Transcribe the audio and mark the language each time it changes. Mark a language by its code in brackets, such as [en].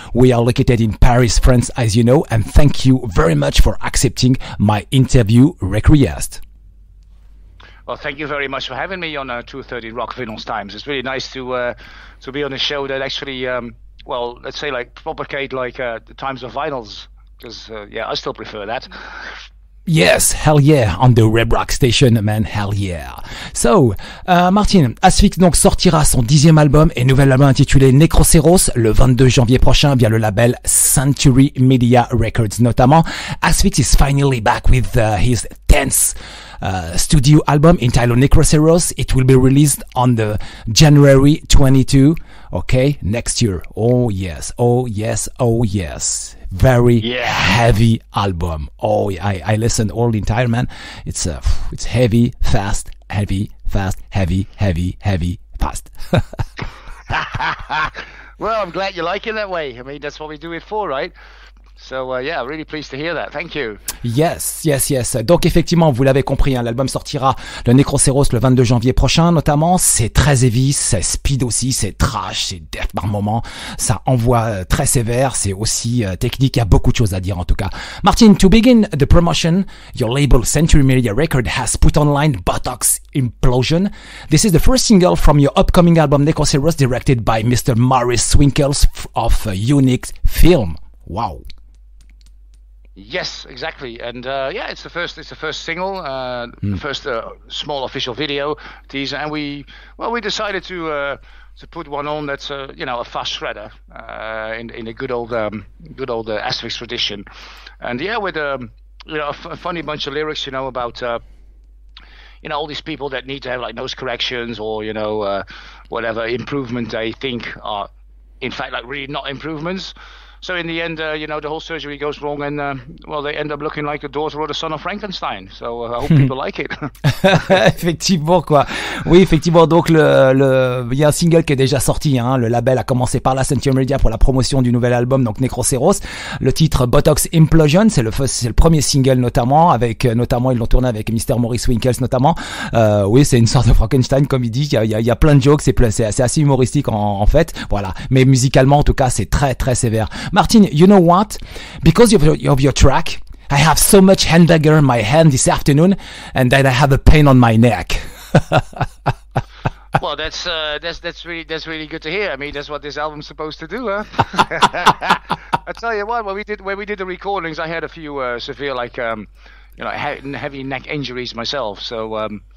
[en] We are located in Paris, France, as you know, and thank you very much for accepting my interview request. Well, thank you very much for having me on 213 Rock Vinyl Times. It's really nice to be on a show that actually well, let's say like propagate like the times of vinyls, because I still prefer that. Yes, hell yeah, on the Web Rock Station, man, hell yeah. [fr] So, Martin, Hasfix donc sortira son 10e album et nouvel album intitulé Necroceros le 22 janvier prochain via le label Century Media Records notamment. [en] Hasfix is finally back with his 10th studio album entitled Necroceros. It will be released on the January 22. Okay, next year. Oh yes, oh yes, oh yes. Very heavy album. Oh, I listened all the entire, man. It's heavy, fast, heavy, fast, heavy, heavy, heavy, fast. Well, I'm glad you like it that way. I mean, that's what we do it for, right? So, yeah, really pleased to hear that. Thank you. Yes, yes, yes. [fr] Donc, effectivement, vous l'avez compris, hein, l'album sortira le Necroceros le 22 janvier prochain, notamment. C'est très heavy, c'est speed aussi, c'est trash, c'est death par moment. Ça envoie très sévère, c'est aussi technique. Il y a beaucoup de choses à dire, en tout cas. [en] Martin, to begin the promotion, your label Century Media Record has put online Buttocks Implosion. This is the first single from your upcoming album Necroceros, directed by Mr. Maurice Swinkels of Unique Film. Wow. Yes, exactly. And it's the first single, the first small official video teaser, and we decided to put one on that's a fast shredder in a good old Hasfix tradition. And yeah, with a funny bunch of lyrics, you know, about all these people that need to have like nose corrections or whatever improvement they think are in fact like really not improvements. So in the end, the whole surgery goes wrong and, they end up looking like a daughter or the son of Frankenstein. So I hope people like it. [fr] Effectivement, quoi. Oui, effectivement. Donc, il y a un single qui est déjà sorti. Hein. Le label a commencé par la Century Media pour la promotion du nouvel album, donc Necroceros. Le titre Buttocks Implosion, c'est le premier single notamment. Notamment, ils l'ont tourné avec Mr. Maurice Winkles notamment. Oui, c'est une sorte de Frankenstein, comme il dit. Il y a plein de jokes. C'est assez humoristique en fait. Voilà. Mais musicalement, en tout cas, c'est très, très sévère. [en] Martin, you know what? Because of your track, I have so much hamburger in my hand this afternoon, and then I have a pain on my neck. Well, that's really good to hear. I mean, that's what this album's supposed to do, huh? I tell you what, when we did the recordings, I had a few severe, like heavy neck injuries myself. So.